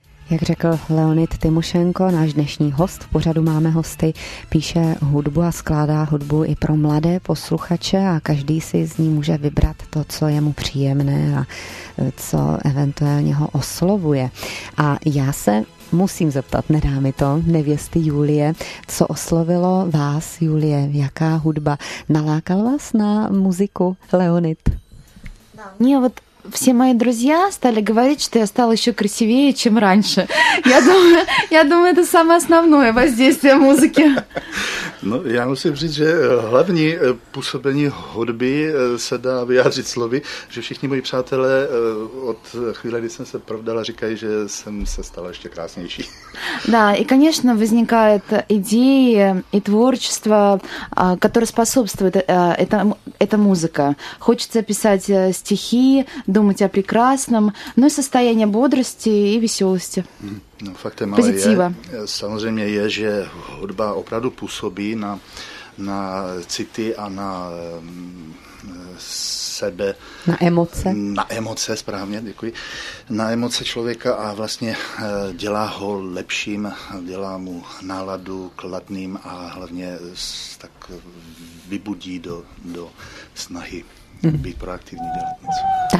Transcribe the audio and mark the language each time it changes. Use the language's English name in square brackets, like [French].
[Czech] Jak řekl Leonid Tymošenko, náš dnešní host, v pořadu Máme hosty, píše hudbu a skládá hudbu i pro mladé posluchače a každý si z ní může vybrat to, co je mu příjemné a co eventuálně ho oslovuje. A já se musím zeptat, nedá mi to, nevěsty Julie, co oslovilo vás, Julie, jaká hudba? Nalákal vás na muziku Leonid? Ne, no. [Russian] Все мои друзья стали говорить, что я стала еще красивее, чем раньше. Я думаю, это самое основное воздействие музыки. Ну, я [Czech] musím říct, že hlavní působení hudby se dá vyjádřit slovy, že všichni moji přátelé od chvíle, kdy jsem se provdala, říkají, že jsem se stala ještě krásnější. [Russian] Да, и, конечно, возникают идеи и творчество, которое способствует эта музыка. Хочется писать стихи, думать о прекрасном, ну и состояние бодрости и веселости. [Czech] No, faktem, pozitiva. Samozřejmě je, že hudba opravdu působí na city a na sebe. Na emoce. Na emoce, správně, děkuji. Na emoce člověka a vlastně dělá ho lepším, dělá mu náladu kladným a hlavně tak vybudí do snahy být proaktivní, dělat něco.